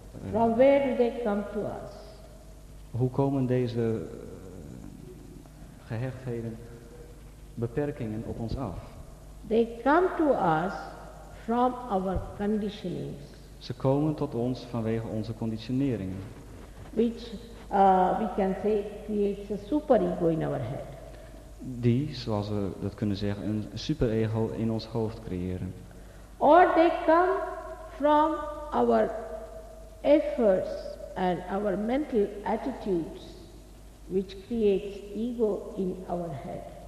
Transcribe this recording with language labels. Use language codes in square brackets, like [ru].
[en] From where do they come to us? [nl] Hoe komen deze gehechtheden, beperkingen op ons af? [en] They come to us from our conditionings. [nl] Ze komen tot ons vanwege onze conditioneringen. [en] Which we can say creates a superego in our head. [nl] Die, zoals we dat kunnen zeggen, een superego in ons hoofd creëren. [en] Or they come from our efforts and our mental attitudes, which creates ego in our head.